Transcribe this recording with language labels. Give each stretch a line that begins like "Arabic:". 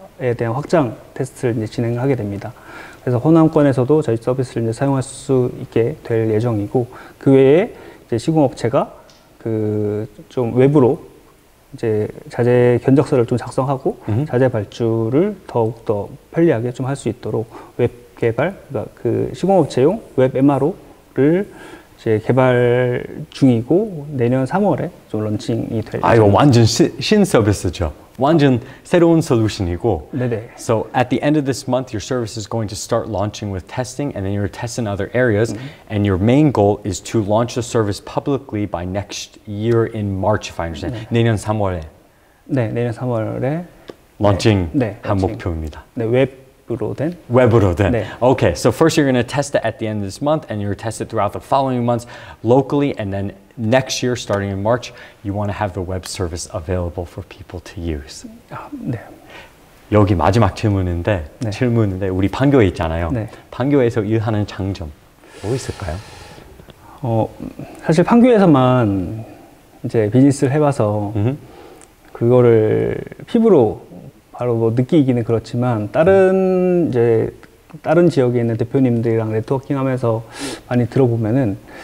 Korean: 에 대한 확장 테스트를 이제 진행하게 됩니다. 그래서 호남권에서도 저희 서비스를 이제 사용할 수 있게 될 예정이고, 그 외에 이제 시공업체가 그 좀 외부로 이제 자재 견적서를 좀 작성하고 자재 발주를 더욱더 편리하게 좀 할 수 있도록 웹 개발, 그러니까 그 시공업체용 웹 MRO를 이제 개발 중이고 내년 3월에 좀 런칭이 될 예정입니다. 아, 이거 완전 신 서비스죠. 완전 새로운 솔루션이고. 네네.
English: So at the end of this month, your service is going to start launching with testing, and then you're testing other areas. And your main goal is to launch the service publicly by next year in March, if I understand.
Korean: 네. 내년 3월에. 네, 내년 3월에. 런칭. 네. 한 네, 목표입니다. 네, 웹으로 된. 웹으로 된. 네.
English: Okay, so first you're going to test it at the end of this month, and you're test it throughout the following months locally, and then next year, starting in March, you want to have the web service available for people to use.
Korean: 아, 네. 여기 마지막 질문인데, 네. 질문인데 우리 판교에 있잖아요. 네. 판교에서 일하는 장점 뭐 있을까요? 사실 판교에서만 이제 비즈니스를 해봐서 그거를 피부로 바로 뭐 느끼기는 그렇지만 다른 이제 다른 지역에 있는 대표님들이랑 네트워킹하면서 많이 들어보면은.